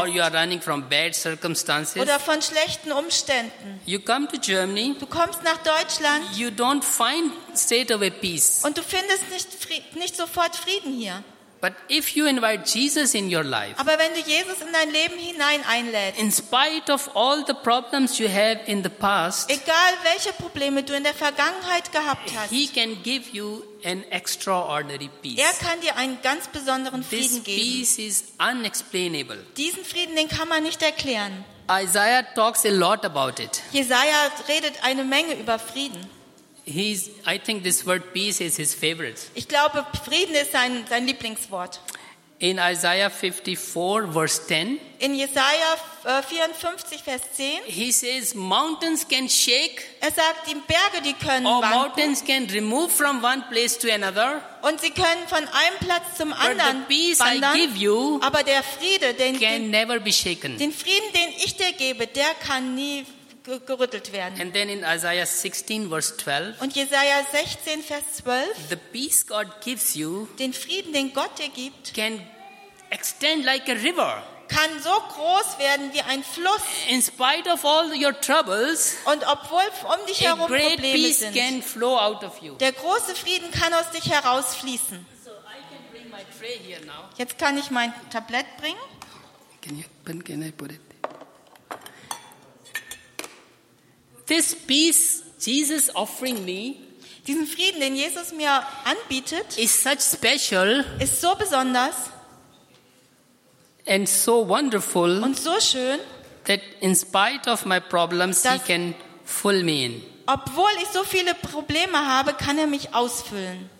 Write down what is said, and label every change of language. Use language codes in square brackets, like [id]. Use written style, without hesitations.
[en] Or you are running from bad circumstances. [de] Oder von schlechten Umständen. [en] You come to Germany. [de] Du kommst nach Deutschland. [en] You don't find state of a peace. [de] Und du findest nicht sofort Frieden hier. [en] But if you invite Jesus in your life, [de] aber wenn du Jesus in dein Leben hinein einlädst, [en] in spite of all the problems you have in the past, [de] egal welche Probleme du in der Vergangenheit gehabt hast, [en] he can give you an extraordinary peace. [de] Er kann dir einen ganz besonderen Frieden geben. [en] This peace is unexplainable. [de] Diesen Frieden, den kann man nicht erklären. [en] Isaiah talks a lot about it. [de] Jesaja redet eine Menge über Frieden. [en] I think this word peace is his favorite. [de] Ich glaube, Frieden ist sein Lieblingswort. [en] In Isaiah 54, verse 10. [de] In Jesaja 54, Vers 10. [en] He says, mountains can shake. [de] Er sagt, die Berge, die können [en] or [de] wanken. [en] Mountains can remove from one place to another. [de] Und sie können von einem Platz zum anderen wandern. [en] But the peace I give you, [de] aber der Friede, [en] never be shaken. [de] Den Frieden, den ich dir gebe, der kann nie gerüttelt werden. [en] And then in Isaiah 16, verse 12. [de] Und Jesaja 16, Vers 12. [en] The peace God gives you. [de] Den Frieden, den Gott dir gibt. [en] Can extend like a river. [de] Kann so groß werden wie ein Fluss. [en] In spite of all your troubles. [de] Und obwohl um dich herum Probleme sind. [en] A great peace can flow out of you. [de] Der große Frieden kann aus dich herausfließen. [en] So I can bring my tray here now. [de] Jetzt kann ich mein Tablett bringen. [en] Can I put it? This peace Jesus offering me, [de] diesen Frieden, den Jesus mir anbietet, [en] is such special, [de] ist so besonders, [en] and so wonderful, [de] und so schön, [en] that in spite of my problems, he can fill me in. [de] Obwohl ich so viele Probleme habe, kann er mich ausfüllen.